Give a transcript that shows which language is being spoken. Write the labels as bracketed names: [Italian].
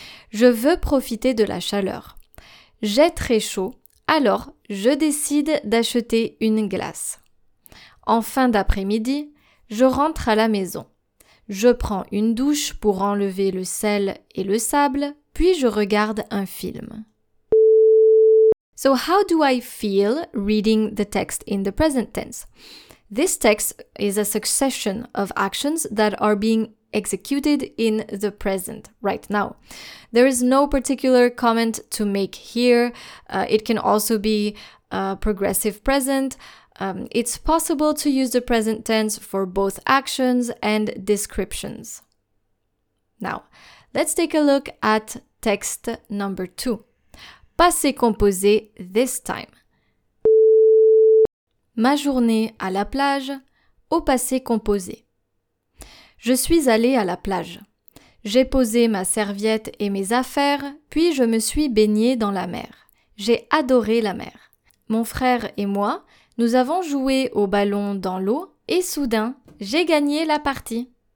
[French] Je veux profiter de la chaleur. J'ai très chaud, alors je décide d'acheter une glace. En fin d'après-midi, je rentre à la maison. Je prends une douche pour enlever le sel et le sable, puis je regarde un film. [English] So how do I feel reading the text in the present tense? This text is a succession of actions that are being executed in the present, right now. There is no particular comment to make here. It can also be a progressive present. It's possible to use the present tense for both actions and descriptions. Now, let's take a look at text number two. Passé composé this time. [French] Ma journée à la plage, au passé composé. Je suis allée à la plage. J'ai posé ma serviette et mes affaires, puis je me suis baignée dans la mer. J'ai adoré la mer. Mon frère et moi, nous avons joué au ballon dans l'eau et soudain, j'ai gagné la partie.